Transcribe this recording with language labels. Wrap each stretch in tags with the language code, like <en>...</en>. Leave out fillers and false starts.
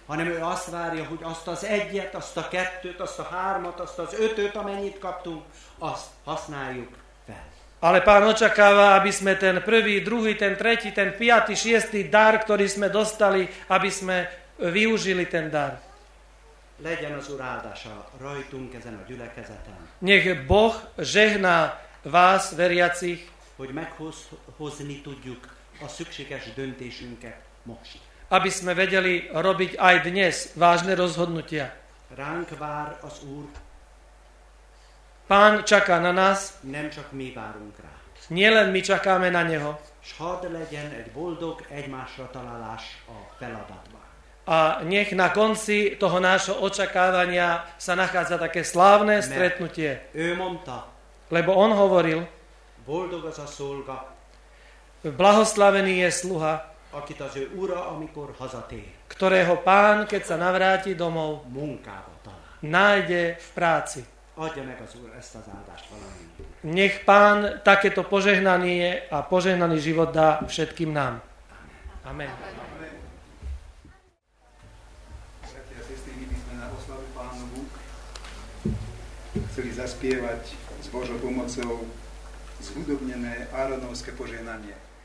<hu>Hanem ő azt várja, hogy azt az egyet, azt a kettőt, azt a hármat, azt az ötöt, amennyit kaptunk, azt használjuk.</hu> <sk>Ale pán očakáva, aby sme ten prvý, druhý, ten tretí, ten piatý, šiestý dar, ktorý sme dostali, aby sme využili ten dar.</sk> <hu>Legyen az Úr áldása rajtunk ezen a gyülekezeten.</hu> <sk>Nech Boh žehná vás, veriacich,</sk> <hu>hogy meghozni tudjuk a szükséges döntésünket most.</hu> <sk>Aby sme vedeli robiť aj dnes vážne rozhodnutia.</sk> <hu>Ránk vár az Úr.</hu> <sk>Pán čaká na nás.</sk> <hu>Nem csak mi várunk rá.</hu> <sk>Nielen my čakáme na neho.</sk> <hu>S hadd legyen egy boldog egymásra találás a feladatban.</hu> <sk>A nech na konci toho nášho očakávania sa nachádza také slávne stretnutie.</sk> <hu>Ő mondta,</hu> <sk>lebo on hovoril,</sk> <hu>boldog az a szolga,</hu> <sk>blahoslavený je sluha,</sk> <hu>akit az ő ura, amikor hazatér,</hu> <sk>ktorého pán, keď sa navráti domov,</sk> <hu>munkába talál.</hu> <sk>Nájde v práci.</sk> <hu>Adja meg az Úr ezt az áldást valami.</hu> <sk>Nech pán takéto požehnanie a požehnaný život dá všetkým nám. Amen. Bratia, sestri, my by sme na oslavu Pánovu chceli zaspievať s Božou pomocou zhudobnené Áronovské požehnanie.</sk>